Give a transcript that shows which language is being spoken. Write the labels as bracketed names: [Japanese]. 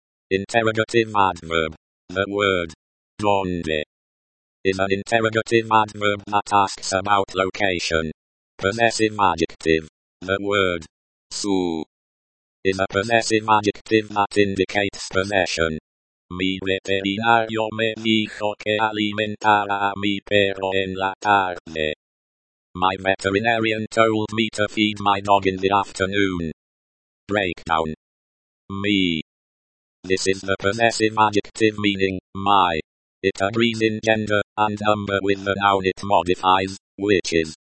[English] Interrogative adverb. The word [Spanish] donde [English] is an interrogative adverb that asks about location. Possessive adjective. The word [Spanish] su [English] is a possessive adjective that indicates possession. [Spanish] Mi veterinario me dijo que alimentara a mi perro en la tarde. [English] My veterinarian told me to feed my dog in the afternoon. Breakdown. [Spanish] Me. [English] This is the possessive adjective meaning, my. It agrees in gender and number with the noun it modifies, which is